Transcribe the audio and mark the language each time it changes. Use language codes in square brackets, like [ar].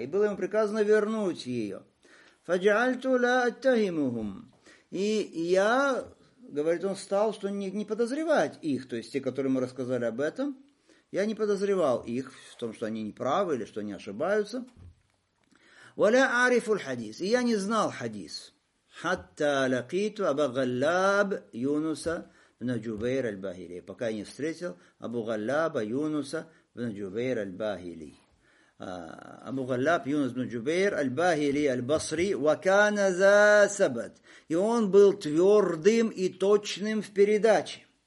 [ru] И было ему приказано вернуть ее. [ar] Фаджальту ля аттахимухум. [ru] И я, говорит он, стал что не подозревать их. То есть те, которые ему рассказали об этом. Я не подозревал их в том, что они неправы или что они ошибаются. [ar] ولا أعرف الحديث. [ru] И я не знал хадис. [ar] حتى لقيت أبا غلاب يونس بن جبير الباهلي. [ru] Пока я не встретил Абу Галлаба Юнуса бин Джубейр аль-Бахили. Абу Галлаб Юнус бин Джубейр аль-Бахили аль-Басри [ar] ва кана за сабат. [ru] И он был твёрдым и точным в передаче.